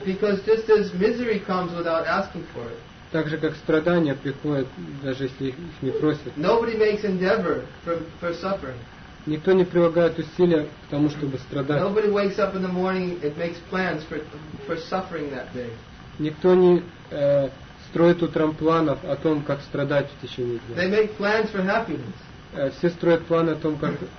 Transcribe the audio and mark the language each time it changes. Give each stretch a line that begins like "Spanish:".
English: Because just as misery comes without asking for it.
Russian: Так же, как страдания приходят, даже если их не просят.
English: Nobody makes endeavor for suffering.
Russian: Никто не прилагает усилия к тому, чтобы страдать.
English: Nobody wakes up in the morning and makes plans for suffering that day.
Russian: Никто не строят утром планов о том, как страдать в течение дня.
English: They make plans for happiness.
Russian: Все строят планы о том, как